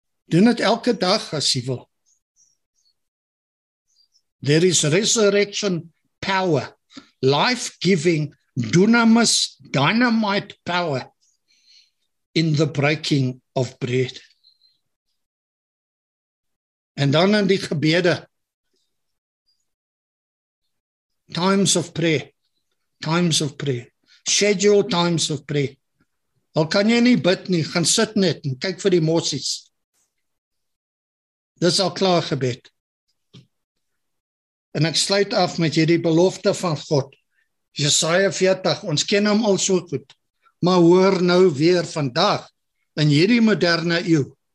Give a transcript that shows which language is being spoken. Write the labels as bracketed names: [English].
[Afrikaans] Doen het elke dag as jy wil. [English] There is resurrection power. Life-giving, dunamis, dynamite power in the breaking of bread. [Afrikaans] En dan in die gebede. [English] Times of prayer. Schedule times of prayer. [Afrikaans] Al kan jy nie bid nie, gaan sit net en kyk vir die mosies. Dis al klaar gebed. En ek sluit af met hierdie belofte van God. Jesaja 40, ons ken hom al so goed, maar hoor nou weer vandag, in hierdie moderne eeuw.